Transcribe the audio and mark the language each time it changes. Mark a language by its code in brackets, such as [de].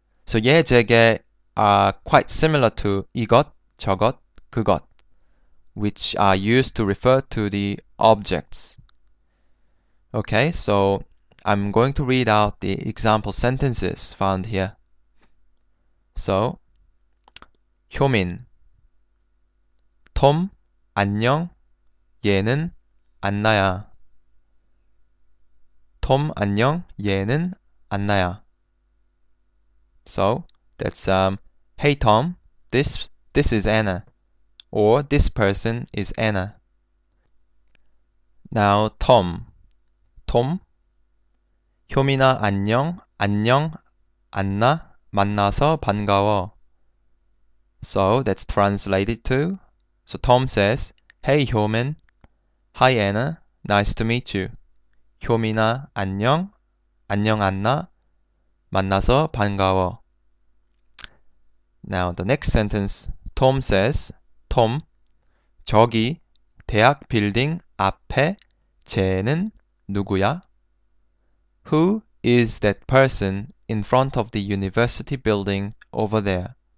[en] So [ko] 예, 제, 게 [en] are quite similar to [ko] 이것, 저것, 그것, [en] which are used to refer to the objects. Okay, so I'm going to read out the example sentences found here. So, [ko] 효민, 톰, 안녕, 얘는 안나야. 톰, 안녕, 얘는 안나야. [en] So, that's, Hey Tom, this is Anna, or this person is Anna. Now, [ko] Tom. Tom. 효민아, 안녕. 안녕. 안나. 만나서 반가워. [en] So, that's translated to. So, Tom says, Hey, 효민. Hi, Anna. Nice to meet you. [ko] 효민아, 안녕. 안녕, 안나. 만나서 반가워. [en] Now, the next sentence. Tom says, Tom. [ko] 저기, 대학 빌딩 앞에 쟤는 누구야? [en] Who is that person in front of the university building over there?